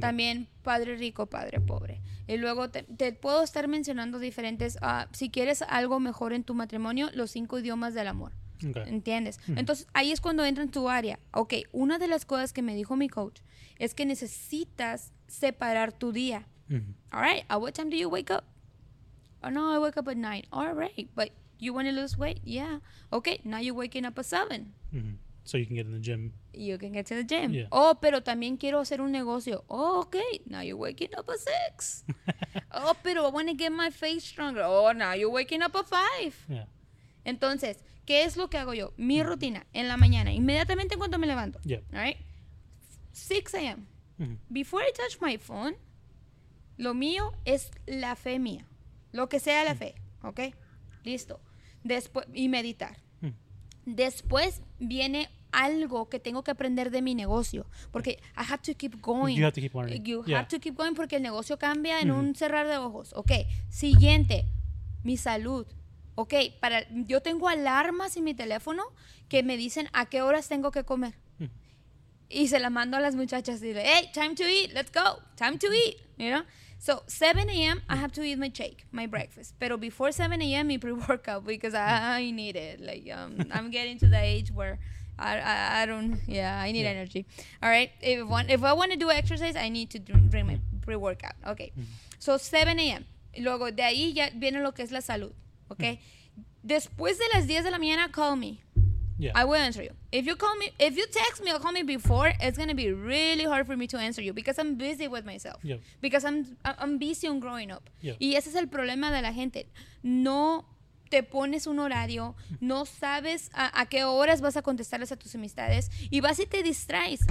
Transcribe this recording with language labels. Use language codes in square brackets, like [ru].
[es] También, padre rico, padre pobre. Y luego, te puedo estar mencionando diferentes, si quieres algo mejor en tu matrimonio, los 5 idiomas del amor. [en] Okay. [es] ¿Entiendes? Mm-hmm. Entonces, ahí es cuando entra en tu área. Ok, una de las cosas que me dijo mi coach es que necesitas separar tu día. Mm-hmm. [en] All right, at what time do you wake up? Oh, no, I wake up at 9. All right, but you want to lose weight? Yeah. Okay, now you're waking up at 7. Mm-hmm. So you can get in the gym. You can get to the gym. Yeah. [es] Oh, pero también quiero hacer un negocio. Oh, okay, [en] now you're waking up at 6. Oh, pero I want to get my face stronger. Oh, now you're waking up at 5. Yeah. [es] Entonces, ¿qué es lo que hago yo? Mi rutina en la mañana, inmediatamente cuando me levanto. [en] Yeah. All right. 6 a.m. Mm-hmm. Before I touch my phone, [es] lo mío es la fe mía. Lo que sea la fe. Ok. Listo. Después, y meditar. Mm. Después viene algo que tengo que aprender de mi negocio. [en] Porque I have to keep going. You have to keep learning. You have to keep going [es] porque el negocio cambia en un cerrar de ojos. Ok. Siguiente. mi salud. Ok, para, yo tengo alarmas en mi teléfono que me dicen a qué horas tengo que comer. Y se la mando a las muchachas y digo, [en] hey, time to eat, let's go, time to eat, you know. So, 7 a.m., I have to eat my shake, my breakfast. Pero before 7 a.m., mi pre-workout, because I need it. Like, I'm getting to the age where I need energy. All right, if I want to do exercise, I need to drink my pre-workout. [es] Okay, so 7 a.m., luego de ahí ya viene lo que es la salud. Okay, después de las 10 de la mañana, [en] call me. Yeah. I will answer you. If you text me or call me before, it's going to be really hard for me to answer you because I'm busy with myself. Yeah. Because I'm busy on growing up. Yeah. [es] Y ese es el problema de la gente. No te pones un horario, no sabes a qué horas vas a contestarles a tus amistades y vas y te distraes.